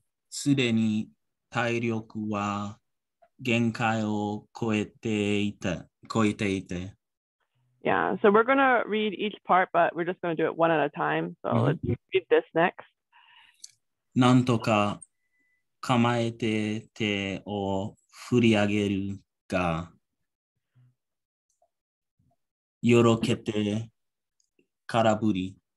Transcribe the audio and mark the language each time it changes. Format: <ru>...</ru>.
<ja>すでに体力は限界を超えていて。</ja> <en>Yeah, so we're gonna read each part, but we're just gonna do it one at a time. So let's read this next.</en> <ja>なんとか構えて手を振り上げるが。よろけて空振り。</ja>